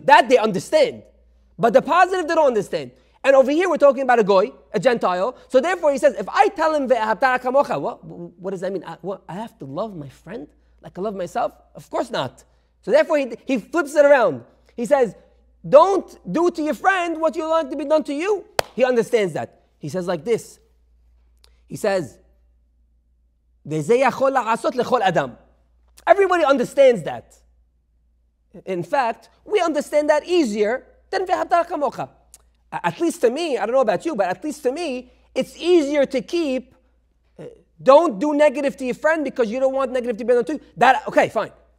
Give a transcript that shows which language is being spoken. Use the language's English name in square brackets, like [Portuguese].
[English] That they understand. But the positive, they don't understand. And over here, we're talking about a goy, a Gentile. So therefore, he says, if I tell him, what does that mean? I have to love my friend like I love myself? Of course not. So therefore, he flips it around. He says, don't do to your friend what you want to be done to you. He understands that. He says like this. [Hebrew] He says, וזה יכול לעשות לכל אדם. [English] Everybody understands that. In fact, we understand that easier than [Hebrew] ואהבת כמוך. [English] At least to me, I don't know about you, but at least to me, it's easier to keep don't do negative to your friend because you don't want negative to be done to you. Okay, fine.